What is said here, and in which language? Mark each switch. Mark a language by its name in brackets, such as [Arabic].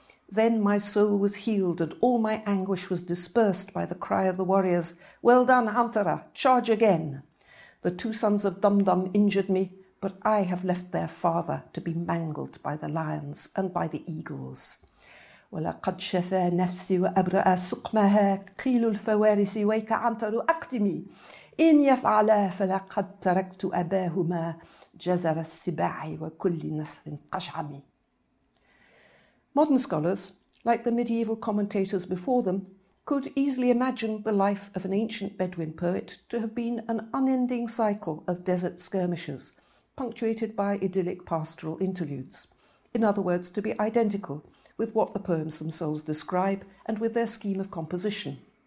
[English] Then my soul was healed and all my anguish was dispersed by the cry of the warriors, "Well done, Antara, charge again! The two sons of Dumdum injured me, but I have left their father to be mangled by the lions and by the eagles. [Arabic] ولقد شفى نفسي وأبرأ سقمها قيل الفوارس ويك عنتر أقدمي إن يفعلا فلقد تركت أباهما جزر السباع وكل نصر قشعمي. [English] Modern scholars, like the medieval commentators before them, could easily imagine the life of an ancient Bedouin poet to have been an unending cycle of desert skirmishes, punctuated by idyllic pastoral interludes. In other words, to be identical with what the poems themselves describe and with their scheme of composition.